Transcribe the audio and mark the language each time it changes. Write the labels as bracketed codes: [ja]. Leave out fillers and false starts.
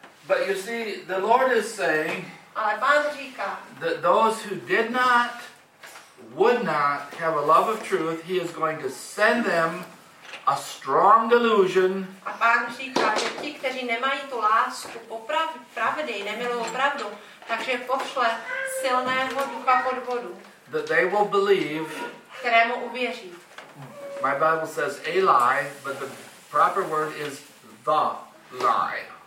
[en] But you see, the Lord is saying, [cs] ale Pán říká, [en] that those who did not, would not have a love of truth, he is going to send them a strong delusion. [cs] A Pán říká, že ti, kteří nemají tu lásku pravdy, nemilují pravdu, takže pošle silného ducha podvodu. [en] That they will believe, [cs] kterému uvěří. [en] My Bible says a lie, but the proper word is the lie.